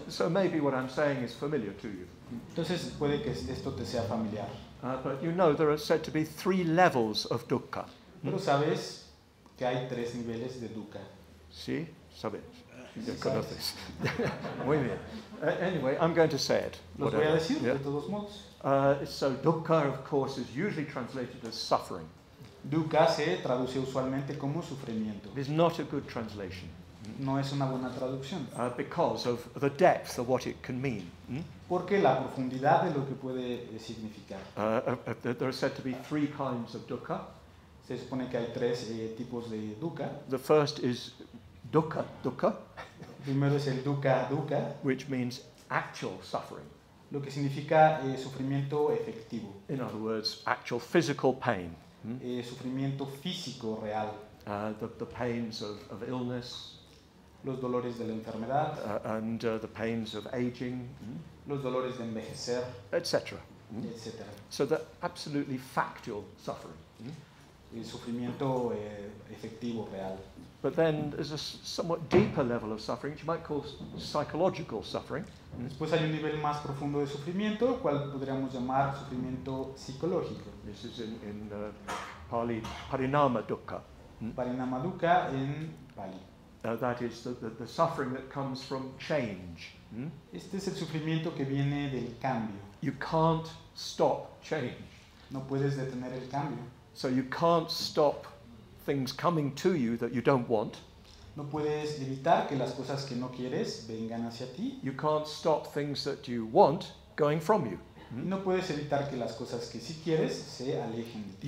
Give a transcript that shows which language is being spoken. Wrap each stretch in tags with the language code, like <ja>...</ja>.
<en>So maybe what I'm saying is familiar to you.</en> <es>Entonces puede que esto te sea familiar.</es> <en>But you know there are said to be three levels of dukkha.</en> <es>Pero sabes que hay tres niveles de dukkha. Sí, sabes. You conoces. Muy bien.</es> <en>Anyway, I'm going to say it.</en> <es>Los voy a decir, yeah? De todos modos.</es> <en>So dukkha, of course, is usually translated as suffering.</en> <es>Dukkha se traduce usualmente como sufrimiento.</es> <en>It is not a good translation.</en> <es>No es una buena traducción.</es> <en>Because of the depth of what it can mean.</en> <es>Porque la profundidad de lo que puede significar.</es> <en>There are said to be three kinds of dukkha.</en> <es>Se supone que hay tres tipos de dukkha.</es> <en>The first is dukkha, dukkha.</en> <es>Primero es el dukkha, dukkha.</es> <en>Which means actual suffering.</en> <es>Lo que significa sufrimiento efectivo.</es> <en>In other words, actual physical pain.</en> <es>Sufrimiento físico real.</es> <en>The pains of illness.</en> <es>Los dolores de la enfermedad.</es> <en>And the pains of aging.</en> <es>Los dolores de envejecer.</es> <en>Etc.</en> <es>Etc.</es> <en>So the absolutely factual suffering.</en> <es>El sufrimiento efectivo real.</es> <en>But then there's a somewhat deeper level of suffering, which you might call psychological suffering.</en> <es>Después hay un nivel más profundo de sufrimiento, el cual podríamos llamar sufrimiento psicológico.</es> <en>This is in Pali, parinama dukkha.</en> <es>Parinama dukkha en Pali.</es> <en>That is the suffering that comes from change.</en> <es>Este es el sufrimiento que viene del cambio.</es> <en>You can't stop change.</en> <es>No puedes detener el cambio.</es> <en>So you can't stop things coming to you that you don't want.</en> <es>No puedes evitar que las cosas que no quieres vengan hacia ti.</es> <en>You can't stop things that you want going from you.</en> <es>No puedes evitar que las cosas que sí quieres se alejen de ti.</es>